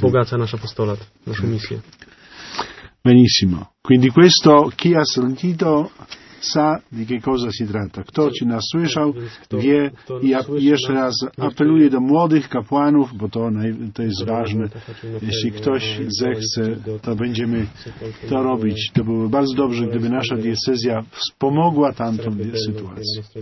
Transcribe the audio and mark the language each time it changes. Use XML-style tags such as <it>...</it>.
<pl>ubogaca nasz apostolat, naszą misję.</pl> <it>Benissimo. Quindi questo chi ha sentito sa di che cosa si tratta.</it> <pl>Kto ci nas słyszał, wie, jeszcze raz apeluję do młodych kapłanów, bo to jest ważne. Jeśli ktoś zechce, to będziemy to robić. To byłoby bardzo dobrze, gdyby nasza diecezja wspomogła tamtą sytuację.</pl>